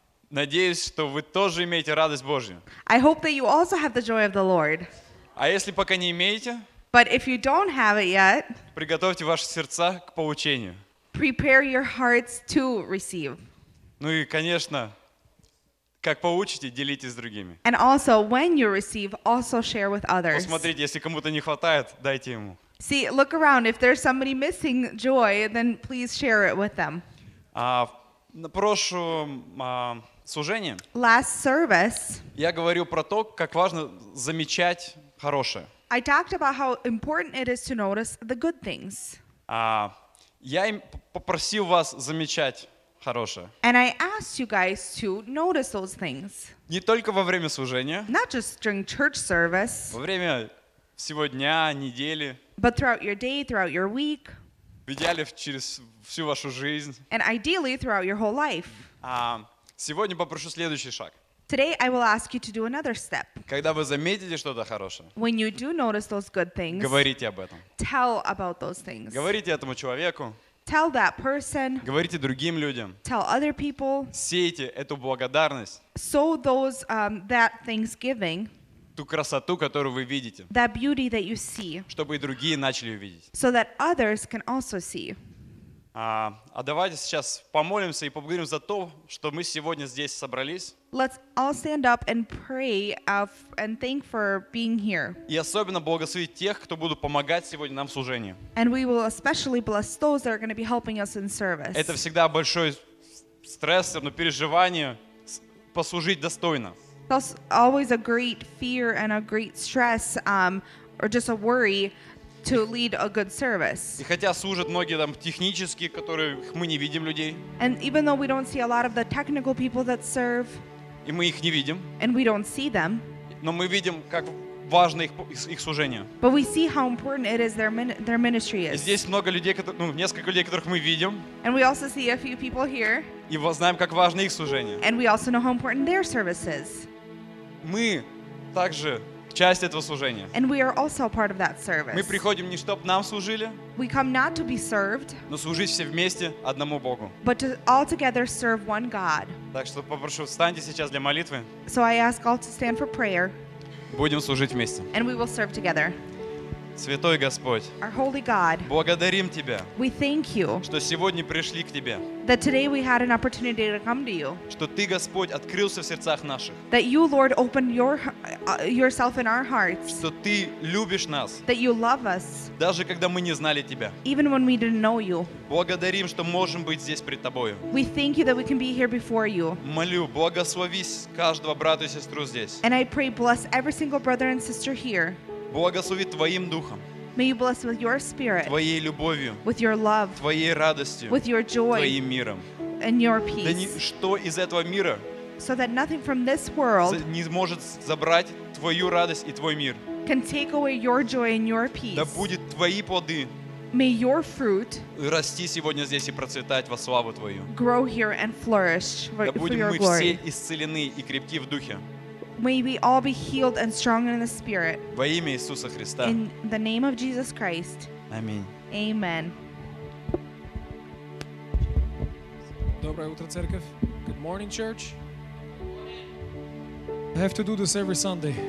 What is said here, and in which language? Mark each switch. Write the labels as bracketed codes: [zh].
[ru] Надеюсь, что вы тоже имеете радость Божью. [en] I hope that you also have the joy of the Lord. [ru] А если пока не имеете, [en] but if you don't have it yet, [ru] приготовьте ваши сердца к получению. [en] Prepare your hearts to receive. [ru] Ну и, конечно, как получите, делитесь с другими. [en] And also, when you receive, also share with others. [ru] Посмотрите, если кому-то не хватает, дайте ему. [en] See, look around. If there's somebody missing joy, then please share it with them. [ru] На прошлом служении [en] last service, [ru] я говорил про то, как важно замечать хорошее. [en] I talked about how important it is to notice the good things. [ru] Я попросил вас замечать хорошее. [en] And I asked you guys to notice those things. [ru] Не только во время служения. [en] Not just during church service. [ru] Во время всего дня, недели. [en] But throughout your day, throughout your week. [ru] В идеале через всю вашу жизнь. [en] And ideally throughout your whole life. [ru] Сегодня попрошу следующий шаг. [en] Today I will ask you to do another step. [ru] Когда вы заметите что-то хорошее, [en] when you do notice those good things, [ru] говорите об этом. [en] Tell about those things. [ru] Говорите этому человеку. [en] Tell that person. [ru] Говорите другим людям. [en] Tell other people. [ru] Сейте эту благодарность. [en] Sow those that thanksgiving. [ru] Ту красоту, которую вы видите. [en] That beauty that you see. [ru] Чтобы и другие начали увидеть. [en] So that others can also see. [ru] А давайте сейчас помолимся и поблагодарим за то, что мы сегодня здесь собрались. [en] Let's all stand up and pray and thank for being here. [ru] И особенно благословить тех, кто будут помогать сегодня нам в служении. [en] And we will especially bless those that are going to be helping us in service. [ru] Это всегда большой стресс, но переживание послужить достойно. [en] That's always a great fear and a great stress, or just a worry to lead a good service. [ru] И хотя служат многие там технические, которых мы не видим людей. [en] And even though we don't see a lot of the technical people that serve. [ru] И мы их не видим. [en] And we don't see them. [ru] Но мы видим, как важно их служение. [en] But we see how important it is their ministry is. [ru] И здесь много людей, которые, ну, несколько людей, которых мы видим. [en] And we also see a few people here. [ru] И мы знаем, как важно их служение. [en] And we also know how important their service is. [ru] Мы также часть этого служения. [en] And we are also a part of that service. [ru] Мы приходим не чтобы нам служили. [en] We come not to be served. [ru] Но служить все вместе одному Богу. [en] But to all together serve one God. [ru] Так что попрошу, встаньте сейчас для молитвы. [en] So I ask all to stand for prayer. [ru] Будем служить вместе. [en] And we will serve together. [ru] Святой Господь. [en] Our holy God. [ru] Благодарим тебя. [en] We thank you. [ru] Что сегодня пришли к тебе. [en] That today we had an opportunity to come to you. [ru] Что ты, Господь, открылся в сердцах наших. [en] That you, Lord, opened yourself in our hearts. [ru] Что ты любишь нас. [en] That you love us. [ru] Даже когда мы не знали тебя. [en] Even when we didn't know you. [ru] Благодарим, что можем быть здесь пред тобою. [en] We thank you that we can be here before you. [ru] Молю, благословись каждого брата и сестру здесь. [en] And I pray, bless every single brother and sister here. [ru] Благослови твоим духом. [en] May you bless with your spirit. [ru] Твоей любовью. [en] With your love. [ru] Твоей радостью. [en] With your joy. [ru] Твоим миром. [en] and your peace. [ru] Да не, что из этого мира [en] so that nothing from this world [ru] не может забрать твою радость и твой мир. [en] Can take away your joy and your peace. [ru] Да будет твои плоды. [en] May your fruit [ru] расти сегодня здесь и процветать во славу твою. [en] Grow here and flourish for your [ru] Да будем мы все исцелены и крепки в духе. [en] May we all be healed and strong in the spirit. [ru] Во имя Иисуса Христа. [en] In the name of Jesus Christ. [ru] Аминь. [en] Amen. [ru] Доброе утро, церковь. [en] Good morning, church. I have to do this every Sunday.